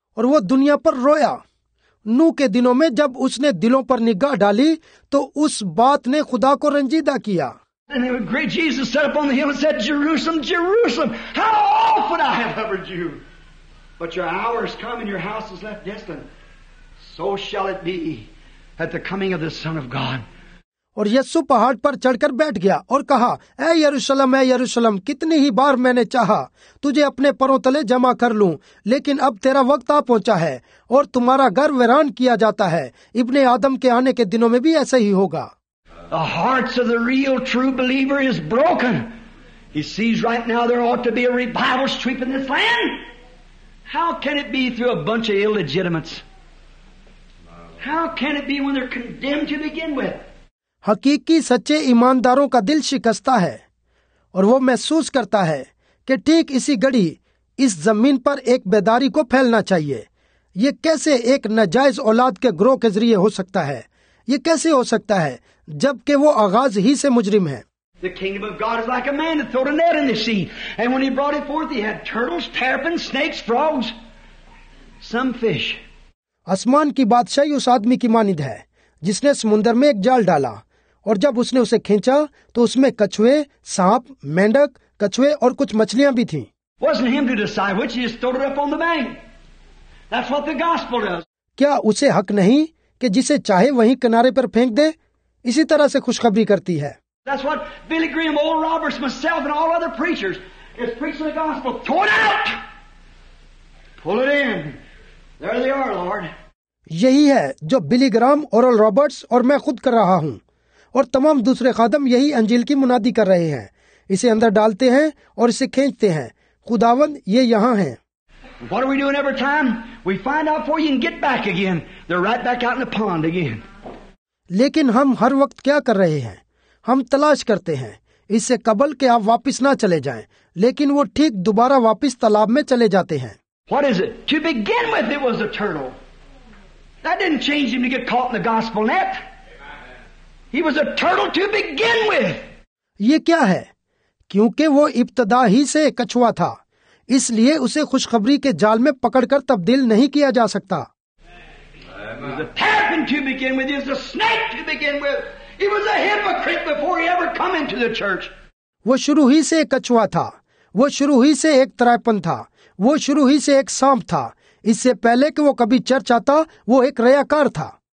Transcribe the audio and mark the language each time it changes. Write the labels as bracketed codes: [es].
[hi] और वो दुनिया पर रोया नूह के दिनों में, जब उसने दिलों पर निगाह डाली तो उस बात ने खुदा को रंजीदा किया। [en] And the great Jesus sat upon the hill and said, Jerusalem, Jerusalem, how often I have covered you. But your hour is come and your house is left desolate. So shall it be at the coming of the Son of God. [hi] और यीशु पहाड़ पर चढ़कर बैठ गया और कहा, ऐ यरूशलम, ऐ यरूशलम, कितनी ही बार मैंने चाहा तुझे अपने परों तले जमा कर लूं, लेकिन अब तेरा वक्त आ पहुंचा है और तुम्हारा घर वीरान किया जाता है। इब्ने आदम के आने के दिनों में भी ऐसा ही होगा। [en] The hearts of the real true believer is broken. He sees right now there ought to be a revival sweeping this land. How can it be through a bunch of illegitimates? How can it be when they're condemned to begin with? [hi] हकीकी सच्चे ईमानदारों का दिल शिकस्ता है और वो महसूस करता है कि ठीक इसी घड़ी इस जमीन पर एक बेदारी को फैलना चाहिए। ये कैसे एक नजायज औलाद के ग्रो के जरिए हो सकता है? ये कैसे हो सकता है जबकि वो आगाज ही से मुजरिम है? [en] The kingdom of God is like a man that threw a net in the sea, and when he brought it forth, he had turtles, terrapins, snakes, frogs, some fish. [hi] आसमान की बादशाही उस आदमी की मानिद है जिसने समुन्द्र में एक जाल डाला और जब उसने उसे खींचा तो उसमें कछुए, सांप, मेंढक, कछुए और कुछ मछलियां भी थीं। [en] Wasn't him to decide which, he just threw it up on the bank. That's what the gospel does. [hi] क्या उसे हक नहीं कि जिसे चाहे वहीं किनारे पर फेंक दे? इसी तरह से खुशखबरी करती है। [en] That's what Billy Graham, Old Roberts, myself, and all other preachers is preaching the gospel. Throw it out. Pull it in. There they are, Lord. [hi] यही है जो बिली ग्राम, ओरल रॉबर्ट्स और मैं खुद कर रहा हूँ और तमाम दूसरे खादम यही अंजील की मुनादी कर रहे हैं। इसे अंदर डालते हैं और इसे खींचते हैं। खुदावंद ये यहाँ है। [en] What are we doing every time? We find out for you and get back again. They're right back out in the pond again. [hi] लेकिन हम हर वक्त क्या कर रहे हैं? हम तलाश करते हैं इससे कबल के आप वापिस ना चले जाएं, लेकिन वो ठीक दोबारा वापिस तालाब में चले जाते हैं। [en] What is it? To begin with, it was a turtle. That didn't change him to get caught in the gospel net. He was a turtle to begin with. [hi] ये क्या है? क्योंकि वो इब्तदा ही से कछुआ था, इसलिए उसे खुशखबरी के जाल में पकड़कर तब्दील नहीं किया जा सकता। [en] He was a terrapin to begin with. He was a snake to begin with. He was a hypocrite before he ever come into the church. [hi] वो शुरू ही से एक कछुआ था, वो शुरू ही से एक तरायपन था, वो शुरू ही से एक सांप था। इससे पहले कि वो कभी चर्च आता वो एक रयाकार था।